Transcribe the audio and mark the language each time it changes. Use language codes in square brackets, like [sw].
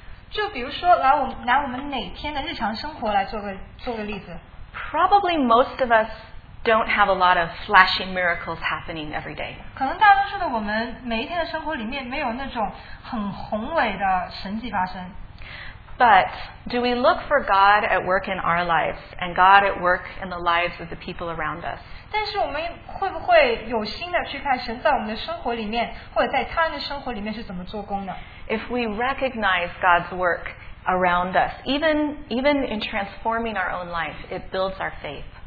[zh] 就比如说拿我们每天的日常生活来做个例子。 [en] Probably most of us don't have a lot of flashy miracles happening every day. [zh] 可能大多数的我们每一天的生活里面没有那种很宏伟的神迹发生。 [en] But do we look for God at work in our lives and God at work in the lives of the people around us? [zh] 但是我们会不会有心的去看神在我们的生活里面或者在他人的生活里面是怎么做工的? [en] If we recognize God's work around us, even in transforming our own life, it builds our faith.